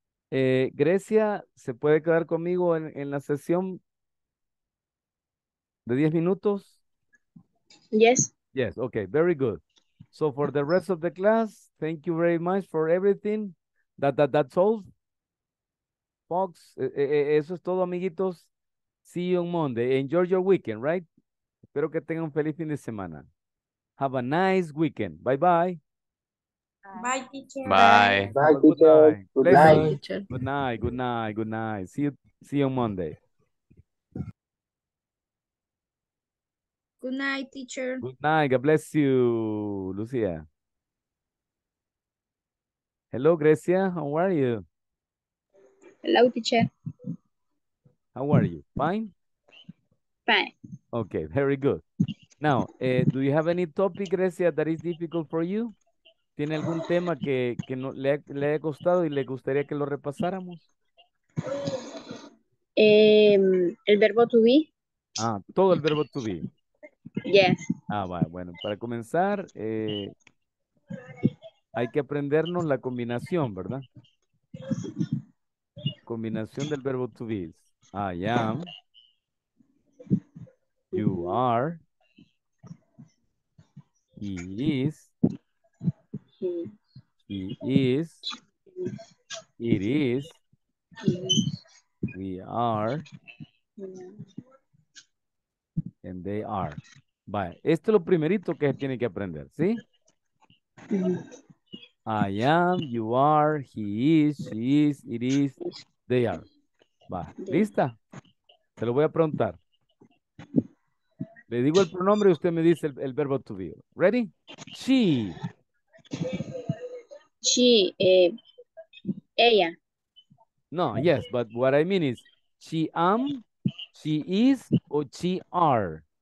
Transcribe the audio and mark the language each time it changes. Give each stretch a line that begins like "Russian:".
Spanish: Grecia, ¿se puede quedar conmigo en la sesión de 10 minutos?
English: Yes. Yes, okay, very good. So for the rest of the class, thank you very much for everything. That's all. Fox,
Spanish: eso es todo, amiguitos.
English: See you on Monday. Enjoy your weekend, right?
Spanish: Espero que tengan un feliz fin de semana.
English: Have a nice weekend. Bye-bye. Bye, teacher. Bye. Bye, teacher. Good night, teacher. Good night, good night, good night. See you on Monday. Good night, teacher. Good night. God bless you, Lucia. Hello, Grecia. How are you? Hello, teacher. How are you? Fine? Fine. Okay, very good. Now, do you have any topic, Grecia, that is difficult for you?
Spanish: ¿Tiene algún tema que no, le haya costado y le gustaría que lo repasáramos? El verbo to be. Ah, todo el verbo to be.
English: Yes.
Spanish: Ah, va, bueno, para comenzar, hay que aprendernos la combinación, ¿verdad? Combinación del verbo to be.
English: I am. You are. He is. He is. It is. We are. And they are.
Spanish: Vaya, esto es lo primerito que tiene que aprender, ¿sí?
English: I am, you are, he is, she is, it is, they are.
Spanish: Va, ¿lista? Se lo voy a preguntar. Le digo el pronombre y usted me dice el verbo to be.
English: Ready? She.
Spanish: ella.
English: No, yes, but what I mean is she am, she is, or she are.